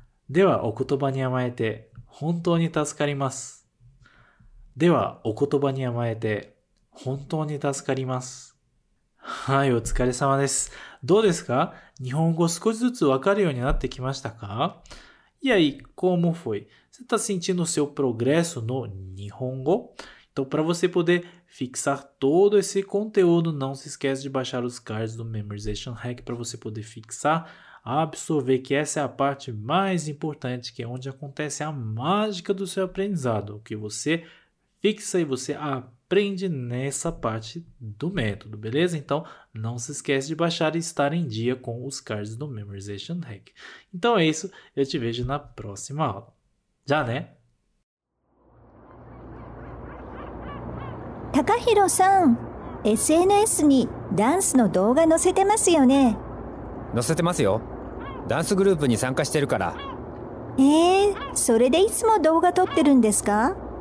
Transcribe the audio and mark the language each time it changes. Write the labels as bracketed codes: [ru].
[ja] ではお言葉に甘えて本当に助かります。ではお言葉に甘えて本当に助かります。はい、お疲れ様です。どうですか？日本語少しずつわかるようになってきましたか？ [pt] E aí, como foi? Você está sentindo o seu progresso no Nihongo? Então, para você poder fixar todo esse conteúdo, não se esquece de baixar os cards do Memorization Hack para você poder fixar, absorver, que essa é a parte mais importante, que é onde acontece a mágica do seu aprendizado, que você fixa e você aprende nessa parte do método, beleza? Então, não se esquece de baixar e estar em dia com os cards do Memorization Hack. Então é isso, eu te vejo na próxima aula. Já, né? [ja] Takahiro-san, SNS にダンスの動画載せてますよね？載せてますよ。ダンスグループに参加してるから。それでいつも動画撮ってるんですか？